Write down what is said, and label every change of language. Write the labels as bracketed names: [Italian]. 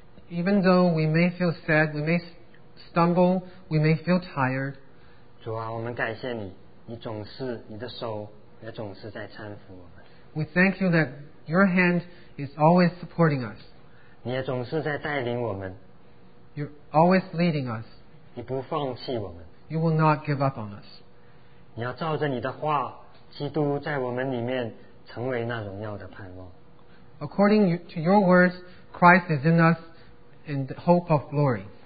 [English] Even though we may feel sad, we may stumble, we may feel tired. [Chinese] 主啊，我们感谢你。你总是你的手也总是在搀扶我们。 [English] We thank you that your hand is always supporting us. [Chinese] 你也总是在带领我们。 [English] You're always leading us. [Chinese] 你不放弃我们。 [English] You will not give up on us. [Chinese] 你要照着你的话，基督在我们里面成为那荣耀的盼望。 [English] According to your words, Christ is in us in the hope of glory.